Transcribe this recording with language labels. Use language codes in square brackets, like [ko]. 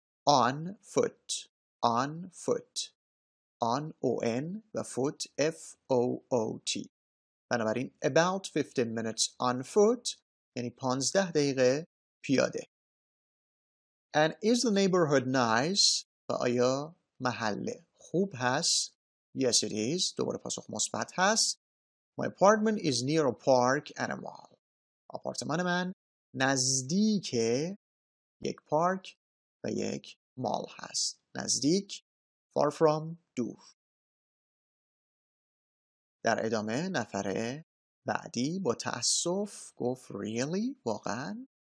[en] On foot. On foot. On O-N و foot F-O-O-T. [fa] بنابراین [en] about 15 minutes on foot [fa] یعنی 15 دقیقه پیاده. [en] And is the neighborhood nice? [fa] و آیا محله خوب هست؟ [en] Yes it is. [fa] دوباره پاسخ مثبت هست. [en] My apartment is near a park and a mall. [fa] آپارتمان من نزدیک یک پارک و یک مال هست. نزدیک, far from, دور. در ادامه نفر بعدی با تأسف گفت really, واقعا.